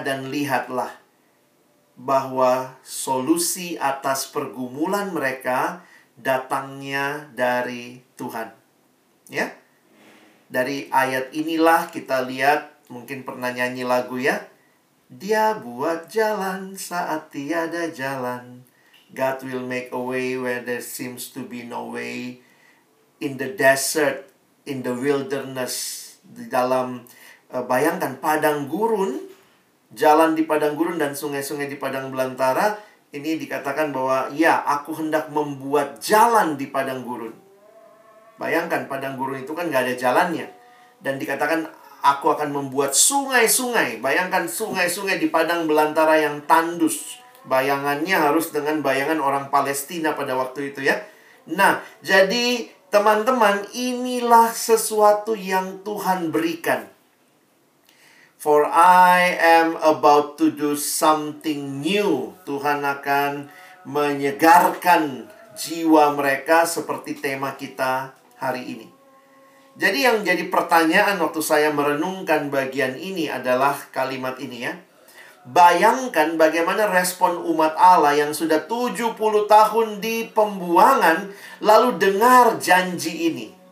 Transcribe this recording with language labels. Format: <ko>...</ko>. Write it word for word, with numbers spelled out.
<id>Dan lihatlah bahwa solusi atas pergumulan mereka datangnya dari Tuhan. Ya, dari ayat inilah kita lihat, mungkin pernah nyanyi lagu ya, dia buat jalan saat tiada jalan.</id> <en>God will make a way where there seems to be no way. In the desert, in the wilderness,</en> <id>di dalam, bayangkan, padang gurun, jalan di padang gurun dan sungai-sungai di padang belantara. Ini dikatakan bahwa, ya, aku hendak membuat jalan di padang gurun. Bayangkan, padang gurun itu kan gak ada jalannya. Dan dikatakan, aku akan membuat sungai-sungai. Bayangkan sungai-sungai di padang belantara yang tandus. Bayangannya harus dengan bayangan orang Palestina pada waktu itu ya. Nah, jadi teman-teman, inilah sesuatu yang Tuhan berikan.</id> <en>For I am about to do something new.</en> <id>Tuhan akan menyegarkan jiwa mereka seperti tema kita hari ini. Jadi yang jadi pertanyaan waktu saya merenungkan bagian ini adalah kalimat ini ya. Bayangkan bagaimana respon umat Allah yang sudah tujuh puluh tahun di pembuangan, lalu dengar janji ini.</id>